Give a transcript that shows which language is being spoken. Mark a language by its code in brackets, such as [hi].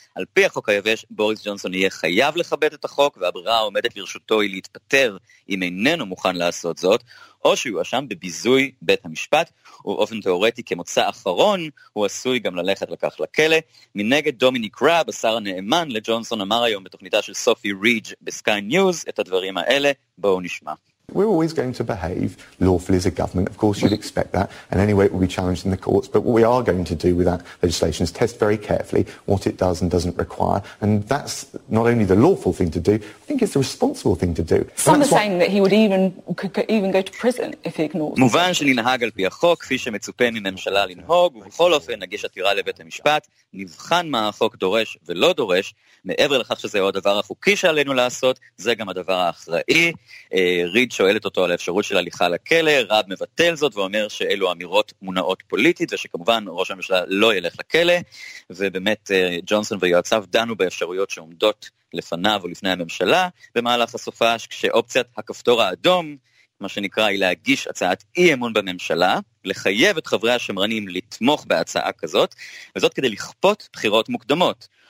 [he] על פי החוק היבש, בוריס ג'ונסון יהיה חייב לכבד את החוק, והברירה העומדת לרשותו היא להתפטר אם איננו מוכן לעשות זאת, או שהוא אשם בביזוי בית המשפט, ובאופן תיאורטי כמוצא אחרון, הוא עשוי גם ללכת לכך לכלא. מנגד דומיניק ראב, השר הנאמן לג'ונסון, אמר היום בתוכניתה של סופי ריג' בסקיי ניוז את הדברים האלה. בואו נשמע. [en] We're always going to behave lawfully as a government. Of course, you'd expect that. And anyway, it will be challenged in the courts. But what we are going to do with that legislation is test very carefully what it does and doesn't require. And that's not only the lawful thing to do, I think it's the responsible thing to do. Some are saying that he would even go to prison if he ignores it. [he] מובן שננהג על פי החוק, כפי שמצופה מממשלה לנהוג, ובכל אופן נגיש עתירה לבית המשפט, נבחן מה החוק דורש ולא דורש, מעבר לכך שזה הוא הדבר החוקי שעלינו לעשות, זה גם הדבר האחראי. ריד שואלת אותו על האפשרות של הליכה לכלא, רב מבטל זאת ואומר שאלו אמירות מונעות פוליטית, ושכמובן ראש הממשלה לא ילך לכלא, ובאמת ג'ונסון ויועציו דנו באפשרויות שעומדות לפניו ולפני הממשלה, במהלך הסופה כשאופציית הכפתור האדום, מה שנקרא, היא להגיש הצעת אי אמון בממשלה, לחייב את חברי השמרנים לתמוך בהצעה כזאת, וזאת כדי לכפות בחירות מוקדמות.